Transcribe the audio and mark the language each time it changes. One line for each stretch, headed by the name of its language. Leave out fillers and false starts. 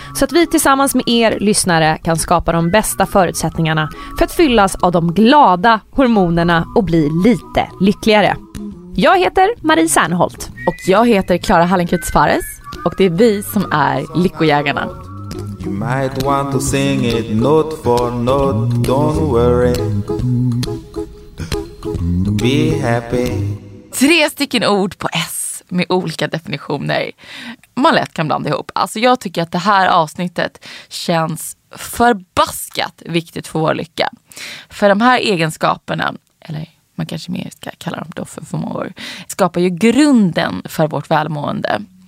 Swedish: Så att vi tillsammans med er lyssnare kan skapa de bästa förutsättningarna för att fyllas av de glada hormonerna och bli lite lyckligare. Jag heter Marie Serneholt. Och jag heter Klara Hallenkrutz-Fares. Och det är vi som är Lyckojägarna.
English: You might want to sing it note for note, don't worry. Be happy.
Swedish: Tre stycken ord på S med olika definitioner man lätt kan blanda ihop. Alltså jag tycker att det här avsnittet känns förbaskat viktigt för vår lycka. För de här egenskaperna, eller man kanske mer ska kalla dem då för förmågor, skapar ju grunden för vårt välmående.